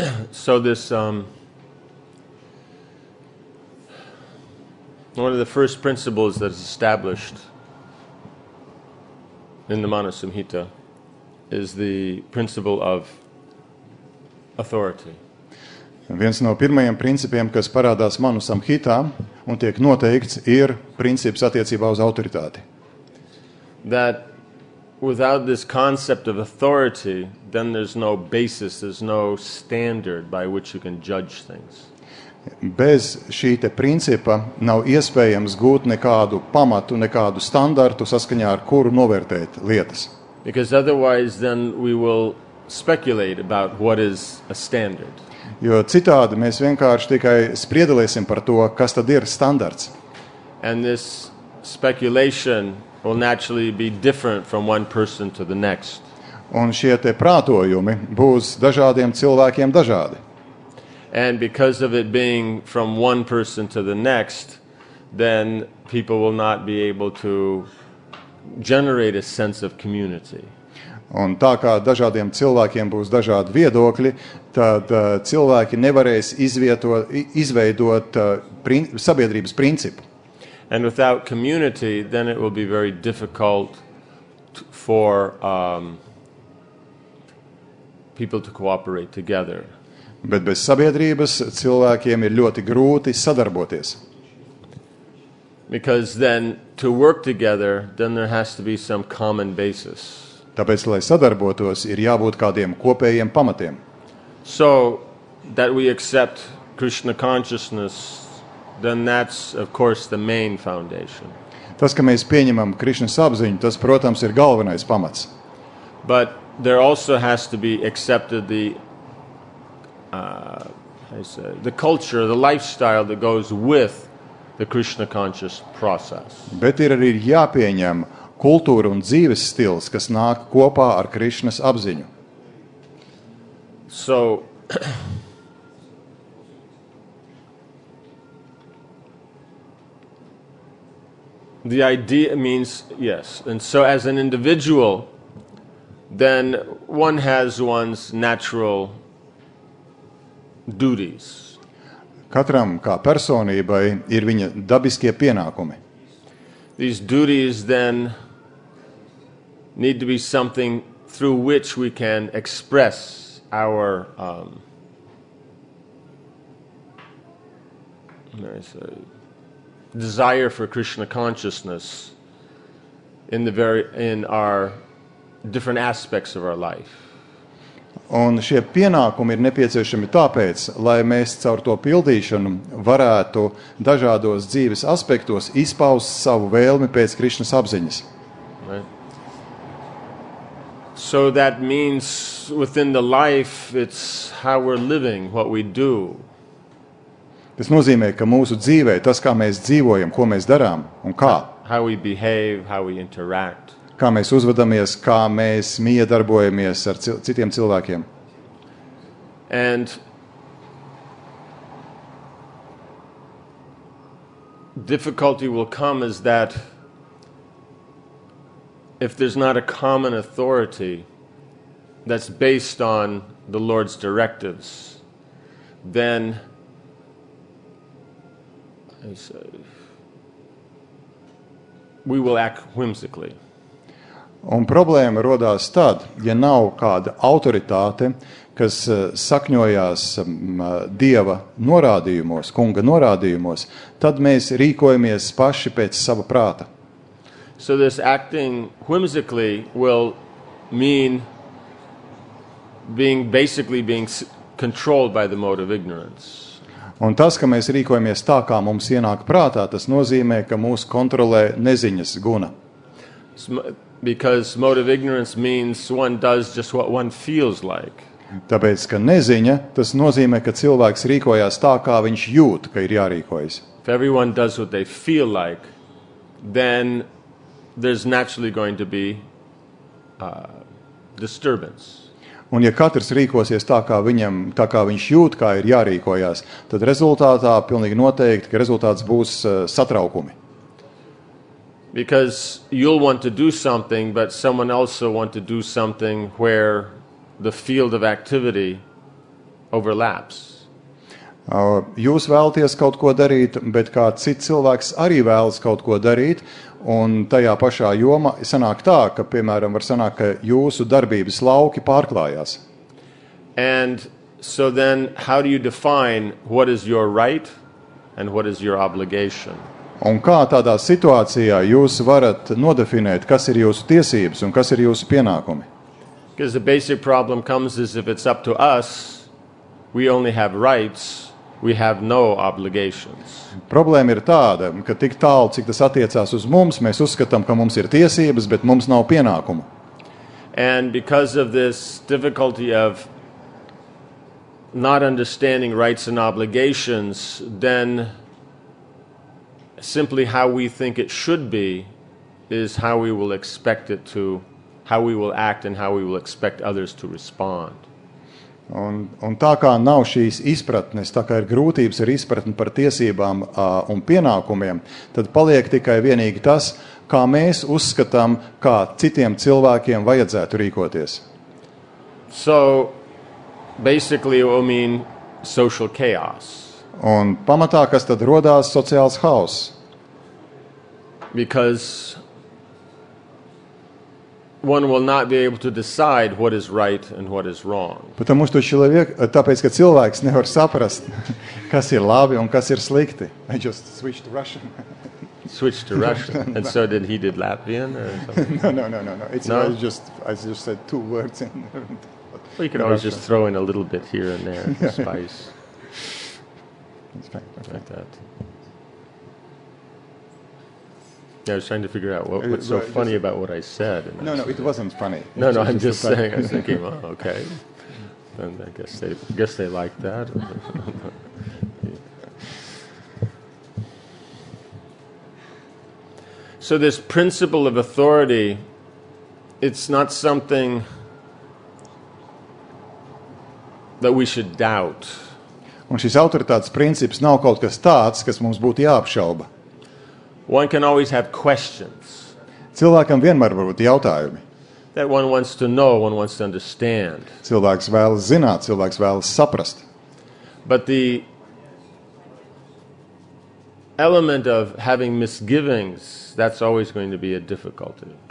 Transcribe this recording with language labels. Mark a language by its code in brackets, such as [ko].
[en] So this, one of the first principles that is established in the Manusamhita is the principle of authority. [lv] Viens no pirmajiem principiem, kas parādās Manusamhita un tiek noteikts, ir princips attiecībā uz autoritāti. [en] That without this concept of authority, then there's no basis, there's no standard by which you can judge things. [lv] Bez šī te principa nav iespējams gūt nekādu pamatu, nekādu standartu, saskaņā ar kuru novērtēt lietas. [en] Because otherwise then we will speculate about what is a standard. [lv] Jo citādi mēs vienkārši tikai spriedelēsim par to, kas tad ir standarts. [en] And this speculation will naturally be different from one person to the next. [lv] Un šie te prātojumi būs dažādiem cilvēkiem dažādi. [en] And because of it being from one person to the next, then people will not be able to generate a sense of community. [lv] Un tā kā dažādiem cilvēkiem būs dažādi viedokļi, tad cilvēki nevarēs izveidot sabiedrības principu. [en] And without community, then it will be very difficult for people to cooperate together. [lv] Bet bez sabiedrības cilvēkiem ir ļoti grūti sadarboties. [en] Because then to work together, then there has to be some common basis. [lv] Tāpēc, lai sadarbotos, ir jābūt kādiem kopējiem pamatiem. [en] So that we accept Krishna consciousness, then that's of course the main foundation. [lv] Tas, ka mēs pieņemam Krišnas apziņu, tas, protams, ir galvenais pamats. [en] But there also has to be accepted the the culture, the lifestyle that goes with the Krishna conscious process. [lv] Bet ir arī jāpieņem kultūra un dzīves stils, kas nāk kopā ar Krišnas apziņu. [en] So the idea means, yes, and so as an individual, then one has one's natural duties. [lv] Katram kā personībai ir viņa dabiskie pienākumi. [en] These duties then need to be something through which we can express our desire for Krishna consciousness in our different aspects of our life. [lv] Un šie pienākumi ir nepieciešami tāpēc, lai mēs caur to pildīšanu varētu dažādos dzīves aspektos izpaust savu vēlmi pēc Krišnas apziņas. [en] Right. So that means within the life it's how we're living, what we do. [lv] Tas nozīmē, ka mūsu dzīvē tas, kā mēs dzīvojam, ko mēs darām un kā. [en] How we behave, how we interact. [lv] Kā mēs uzvedamies, kā mēs miedarbojamies ar citiem cilvēkiem. [en] And difficulty will come is that if there's not a common authority that's based on the Lord's directives, then we will act whimsically. [lv] Un problēma rodās tad, ja nav kāda autoritāte, kas sakņojās Dieva norādījumos, Kunga norādījumos, tad mēs rīkojamies paši pēc sava prāta. [en] So this acting whimsically will mean being controlled by the mode of ignorance. [lv] Un tas, ka mēs rīkojamies tā, kā mums ienāk prātā, tas nozīmē, ka mūs kontrolē neziņas guna. [en] Because mode of ignorance means one does just what one feels like. [lv] Tāpēc, ka neziņa, tas nozīmē, ka cilvēks rīkojās tā, kā viņš jūt, ka ir jārīkojas. [en] If everyone does what they feel like, then there's naturally going to be disturbance. [lv] Un ja katrs rīkosies tā kā viņš jūt, kā ir jārīkojās, tad rezultātā pilnīgi noteikti, ka rezultāts būs satraukumi. [en] Because you'll want to do something, but someone else will want to do something where the field of activity overlaps. [lv] Jūs vēlaties kaut ko darīt, bet kā cits cilvēks arī vēlas kaut ko darīt, un tajā pašā jomā sanāk tā, ka, piemēram, var sanākt, ka jūsu darbības lauki pārklājās. [en] And so then, how do you define what is your right and what is your obligation? [lv] Un kā tādā situācijā jūs varat nodefinēt, kas ir jūsu tiesības un kas ir jūsu pienākumi? [en] Because the basic problem comes is if it's up to us, we only have rights, we have no obligations. [lv] Problēma ir tāda, ka tik tālu, cik tas attiecās uz mums, mēs uzskatām, ka mums ir tiesības, bet mums nav pienākumu. [en] And because of this difficulty of not understanding rights and obligations, then simply how we think it should be is how we will expect it to, how we will act and how we will expect others to respond. [lv] Un tā kā nav šīs izpratnes, tā kā ir grūtības ar izpratni par tiesībām un pienākumiem, tad paliek tikai vienīgi tas, kā mēs uzskatām, kā citiem cilvēkiem vajadzētu rīkoties. [en] So, basically, it will mean social chaos. [lv] Un pamatā, kas tad rodās sociāls haoss? [en] Because one will not be able to decide what is right and what is wrong. [lv] Tāpēc, ka cilvēks nevar saprast, kas ir labi un kas ir slikti. [en] I just switched to Russian. Switched to Russian. And so did he did Latvian or something? No. I just said two words in Well, you can always just throw in a little bit here and there, the spice. Like that. Yeah, I was trying to figure out what's so funny about what I said. It wasn't funny. I'm just saying. I was thinking, well, okay. Then I guess they like that. So this principle of authority, it's not something that we should doubt. [lv] Un šis autoritātes princips nav kaut kas tāds, kas mums būtu jāapšauba. [en] One can always have questions. [lv] Cilvēkam vienmēr var būt jautājumi. [en] That one wants to know, one wants to understand. [lv] Cilvēks vēlas zināt, cilvēks vēlas saprast. [en] But the element of having misgivings, that's always going to be a difficulty.